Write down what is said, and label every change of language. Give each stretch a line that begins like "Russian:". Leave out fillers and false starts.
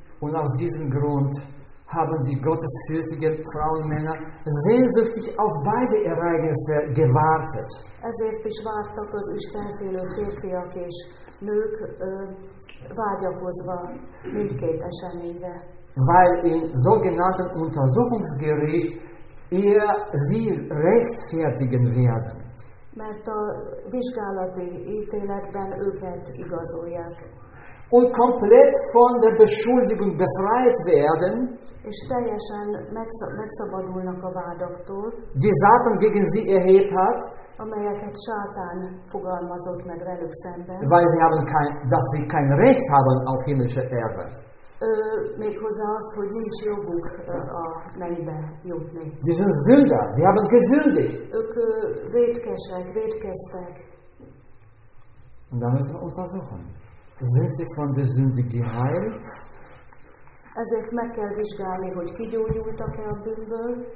German: Und aus diesem Grund haben die gottesfürchtigen Frauenmänner sehnsüchtig auf beide Ereignisse gewartet.
Hungarian: Ezért is vártak az istenfélő férfiak és nők vágyakozva mindkét eseményre.
German: Weil im sogenannten Untersuchungsgericht ihr sie rechtfertigen werden.
Hungarian: Mert a vizsgálati ítéletben őket igazolják.
German: Und komplett von der Beschuldigung befreit werden.
Hungarian: És teljesen megszabadulnak a vádaktól.
German: Die Satan gegen sie erhebt hat.
Hungarian: Amelyeket Sátán fogalmazott meg velük szemben.
German: Weil sie haben kein, dass sie kein Recht haben auf himmlische Erbe.
Hungarian: Méghozzá azt, hogy nincs joguk a mennybe jutni.
German: Die sind Sünder, die haben gesündigt.
Hungarian: Ők vétkesek, vétkeztek.
German: Und dann müssen wir untersuchen. Sind sie von der Sünde geheilt?
Hungarian: Ezért meg kell vizsgálni, hogy kigyógyultak-e a bűnből.